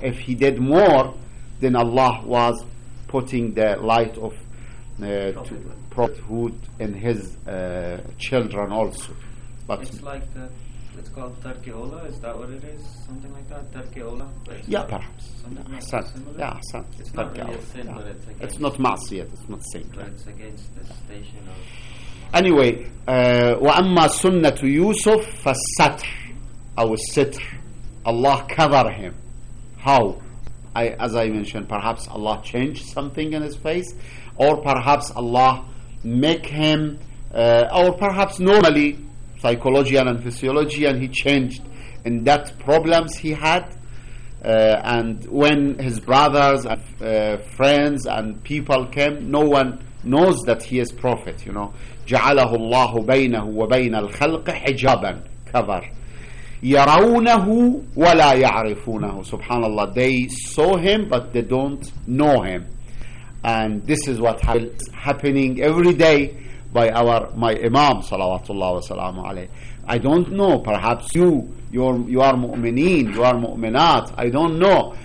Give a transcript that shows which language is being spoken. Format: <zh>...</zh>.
<en>If he did more, then Allah was putting the light of to prophethood and his children also. But it's like it's called Tarkeola, is that what it is? Something like that? Tarkeola? Yeah, perhaps. Something like that. Yeah, it's not really a sin, but it's not ma'asiyat, it's not sin. But it's against the station of. Anyway,</en> <ar>وَأَمَّا سُنَّةُ يُوسُفْ فَالسَّتْرِ أو السِّتْرِ.</ar> <en>Allah cover him. How? As I mentioned, perhaps Allah changed something in his face, or perhaps Allah make him, or perhaps normally, psychology and physiology, and he changed in that problems he had, And when his brothers and friends and people came, no one knows that he is prophet, you know.</en> <ar>جَعَلَهُ اللَّهُ بَيْنَهُ وَبَيْنَ الْخَلْقِ حِجَابًا,</ar> <en>cover.</en> <ar>يَرَوْنَهُ وَلَا يَعْرِفُونَهُ.</ar> <en>Subhanallah, they saw him, but they don't know him. And this is what is happening every day by my Imam, salawatullah wa salamu alayhi. I don't know, perhaps you are mu'mineen, you are mu'minat, I don't know.</en>